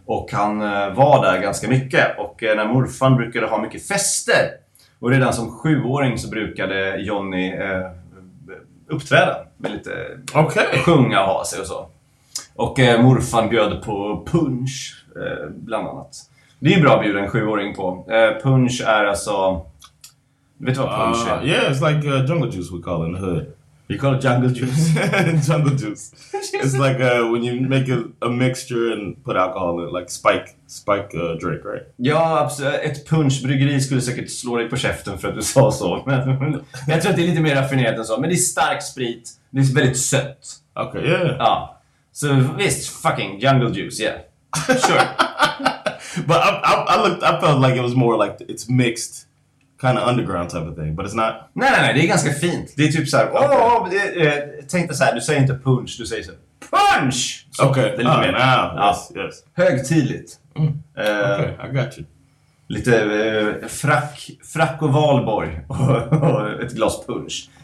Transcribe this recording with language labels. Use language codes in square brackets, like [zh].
[sv] Och han var där ganska mycket. Och när morfan brukade ha mycket fester, och redan som 7-åring så brukade Johnny uppträda med lite, [en] okay, [sv] sjunga och ha sig och så. Och morfan bjöd på punch bland annat. Det är bra att bjuda en 7-åring på. Punch är alltså, vet du vad punch är? [en] Yeah, it's like jungle juice we call in the hood. You call it jungle juice. Jungle juice. It's like when you make a mixture and put alcohol in it, like spike drink, right? [sv] Ja, absolut. Ett punchbryggeri skulle säkert slå dig på käften för att du sa så. Men jag tror att det är lite mer raffinerat än så. Men det är stark sprit. Det är väldigt sött. [en] Okay, yeah. [sv] Ja. Så visst, [en] fucking jungle juice, yeah. Sure. But I felt like it was more like it's mixed. Kind of underground type of thing, but it's not... [sv] Nej, det är ganska fint. Det är typ såhär, tänk dig såhär, du säger inte punch, du säger så punch! Så, [en] okay, [sv] det är lite mer. [en] Yes. [sv] Högtidligt. [en] Mm. Okay, I got you. [sv] Lite frack och valborg och ett glas punch.